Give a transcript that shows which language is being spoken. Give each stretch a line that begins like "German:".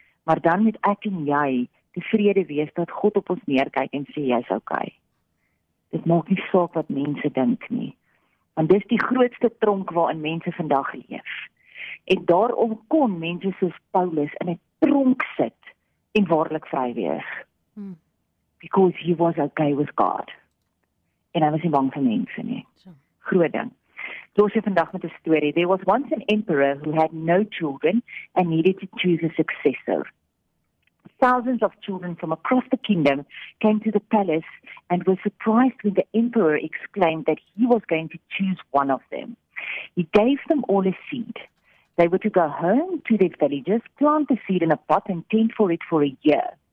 Afrikaans: Maar dan moet ek en jy tevrede wees dat God op ons neerkyk en sê, jy is okay. Dit maak nie saak wat mense dink nie. Want dis die grootste tronk waarin mense vandag leef. En daarom kon mense soos Paulus in 'n tronk sit en waarlik vry wees.
English: Because he was okay with God.
Afrikaans: En hy was nie bang vir mense nie. Groot ding. Los jy vandag met 'n story.
English: There was once an emperor who had no children and needed to choose a successor. thousands of children from across the kingdom came to the palace and were surprised when the emperor exclaimed that he was going to choose one of them. He gave them all a seed. They were to go home to their villages, plant the seed in a pot, and tend for it for a year.